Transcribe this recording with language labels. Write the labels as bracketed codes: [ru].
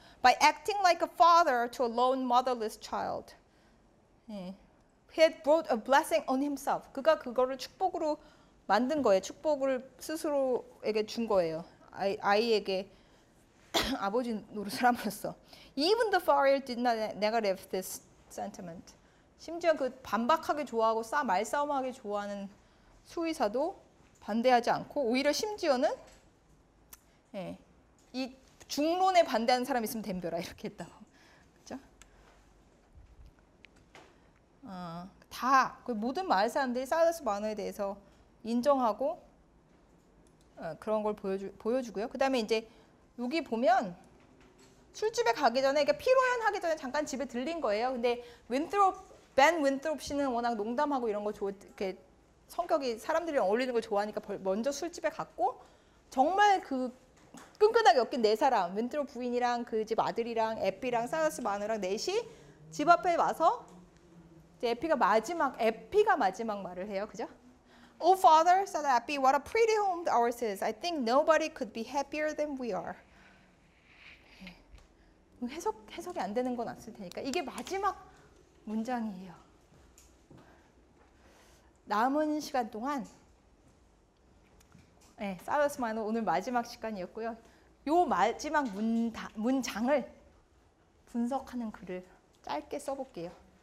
[en] By acting like a father to a lone motherless child. 예. He had brought a blessing on himself. [ko] 그가 그거를 축복으로 만든 거예요. 축복을 스스로에게 준 거예요. 아이에게 아버지 노릇을 함으로써. [en] Even the father did not negative this sentiment. [ko] 심지어 그 반박하게 좋아하고 말싸움하게 좋아하는 수의사도 반대하지 않고 오히려 심지어는 예. 이 중론에 반대하는 사람 있으면 덤벼라 이렇게 했다고. 그렇죠? 다 그 모든 마을 사람들이 사일러스 마너에 대해서 인정하고 그런 걸 보여주고요. 그 다음에 이제 여기 보면 술집에 가기 전에 그러니까 피로연하기 전에 잠깐 집에 들린 거예요. 근데 벤 윈트롭 씨는 워낙 농담하고 이런 거 이렇게 성격이 사람들이랑 어울리는 걸 좋아하니까 먼저 술집에 갔고 정말 그 끈끈하게 엮인 네 사람 윈트롭 부인이랑 그 집 아들이랑 에피랑 사일러스 마누랑 넷이 집 앞에 와서 이제 에피가 마지막 말을 해요. 그죠? [en] Oh, father, said Abby, what a pretty home ours is. I think nobody could be happier than we are. [ko] 해석이 안 되는 건 없을 테니까. 이게 마지막 문장이에요. 남은 시간 동안, 네, 사일러스 마너 오늘 마지막 시간이었고요. 요 마지막 문장을 분석하는 글을 짧게 써볼게요.